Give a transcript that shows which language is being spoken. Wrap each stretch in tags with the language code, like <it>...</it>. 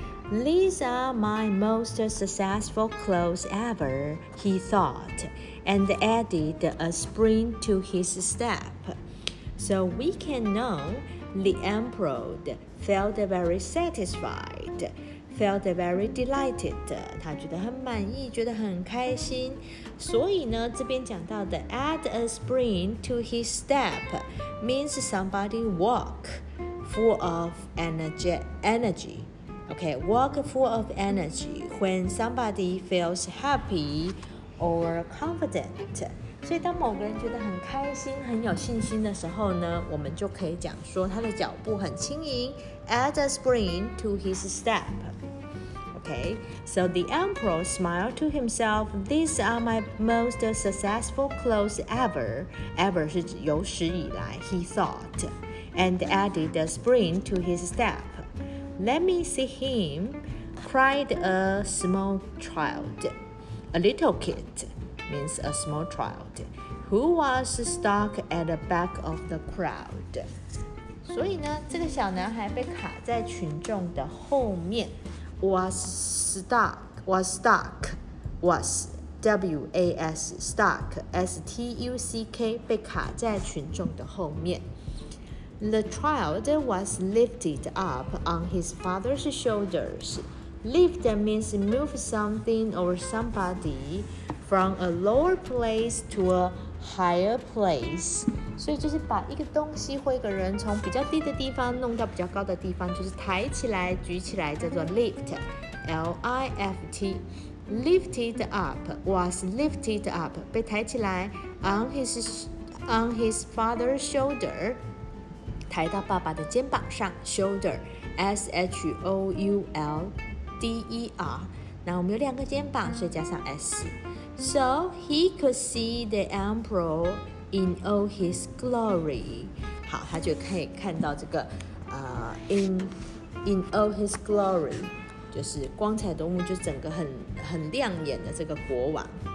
<en>These are my most successful clothes ever, he thought, and added a spring to his step. So we can know the emperor felt very satisfied, felt very delighted.</en> <zh>他觉得很满意，觉得很开心。所以呢，这边讲到的 add a spring to his step means somebody walk full of energy.</zh> <en>Okay, walk full of energy when somebody feels happy or confident.</en> <zh>所以当某个人觉得很开心很有信心的时候呢我们就可以讲说他的脚步很轻盈</zh> <en>add a spring to his step okay so the emperor smiled to himself these are my most successful clothes ever</en> <zh>是指有史以来</zh> <en>he thought and added a spring to his step let me see him cried a small child a little kidMeans a small child who was stuck at the back of the crowd.</en> <zh>所以呢，这个小男孩被卡在群众的后面。</zh> <en>Was stuck,</en> <zh>被卡在群众的后面。</zh> <en>The child was lifted up on his father's shoulders. Lift means move something or somebody. From a lower place to a higher place.</en> <zh>所以就是把一个东西或一个人从比较低的地方弄到比较高的地方就是抬起来举起来叫做 lift.</zh> <en>L-I-F-T. Lifted up. Was lifted up.</en> <zh>被抬起来</zh> <en>on his father's shoulder.</en> <zh>抬到爸爸的肩膀上 shoulder. S-H-O-U-L-D-E-R. 那我们有两个肩膀所以加上 S.</zh> <en>So he could see the emperor in all his glory.</en> <zh>好，他就可以看到这个</zh> <en>in all his glory,</en> <zh>就是光彩夺目，就整个很亮眼的这个国王。</zh>